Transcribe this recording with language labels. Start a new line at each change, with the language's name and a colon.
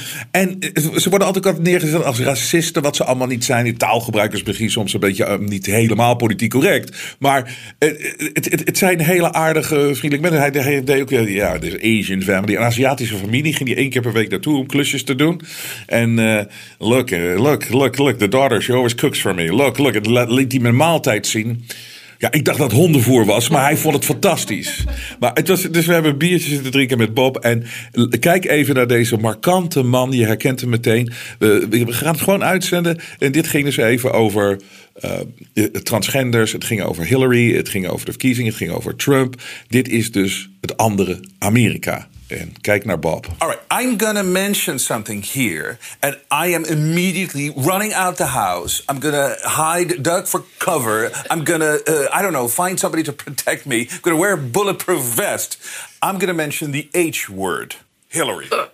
Dutch: En ze worden altijd wat neergezet als racisten, wat ze allemaal niet zijn. Die taalgebruikers begin soms een beetje niet helemaal politiek correct. Maar het zijn hele aardige, vriendelijke mensen. Hij deed ook, ja, de
English: Asian family.
Dutch: Een Aziatische familie ging die één keer per week naartoe om klusjes te doen.
English: En look, the daughter, she always cooks for me.
Dutch: Look, het liet hij mijn maaltijd zien. Ja, ik dacht dat het hondenvoer was, maar hij vond het fantastisch. Maar het was, dus we hebben biertjes zitten drinken met Bob. En kijk even naar deze markante man. Je herkent hem meteen. We gaan het gewoon uitzenden. En dit ging dus even over transgenders. Het ging over Hillary. Het ging over de verkiezingen. Het ging over Trump. Dit is dus het andere Amerika. En kijk naar Bob.
English: All right, I'm gonna mention something here. And I am immediately running out the house. I'm gonna hide, duck for cover. I'm gonna, find somebody to protect me. I'm gonna wear a bulletproof vest. I'm gonna mention the H word. Hillary.